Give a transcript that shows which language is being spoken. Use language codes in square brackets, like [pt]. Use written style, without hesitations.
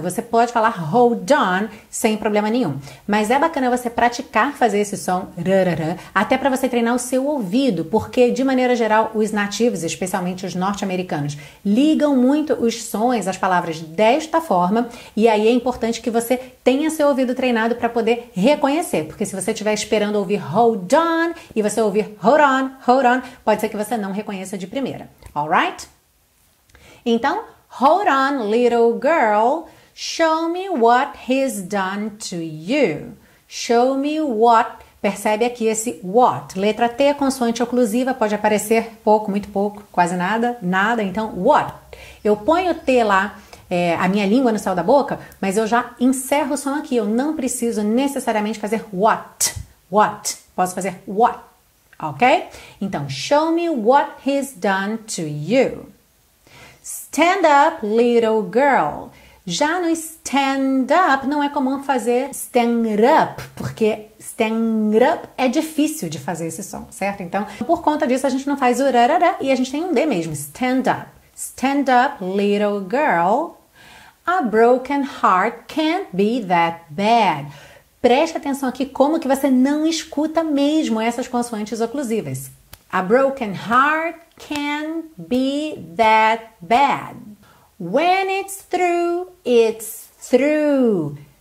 [pt] Você pode falar hold on sem problema nenhum. Mas é bacana você praticar fazer esse som, rarara, até para você treinar o seu ouvido, porque de maneira geral os nativos, especialmente os norte-americanos, ligam muito os sons, as palavras desta forma, e aí é importante que você tenha seu ouvido treinado para poder reconhecer, porque se você estiver esperando ouvir hold on e você ouvir hold on, hold on, hold on, pode ser que você não reconheça de primeira, alright? Então, [en] hold on, little girl, show me what he's done to you. Show me what, [pt] percebe aqui esse what, letra T, consoante oclusiva, pode aparecer pouco, muito pouco, quase nada, nada, então what. Eu ponho T lá, a minha língua no céu da boca, mas eu já encerro o som aqui, eu não preciso necessariamente fazer what, what, posso fazer what. Ok? Então, [en] show me what he's done to you. Stand up, little girl. [pt] Já no stand up, não é comum fazer stand up, porque stand up é difícil de fazer esse som, certo? Então, por conta disso, a gente não faz o rarará e a gente tem um D mesmo. [en] Stand up. Stand up, little girl. A broken heart can't be that bad. [pt] Preste atenção aqui como que você não escuta mesmo essas consoantes oclusivas. [en] A broken heart can't be that bad. When it's through, through.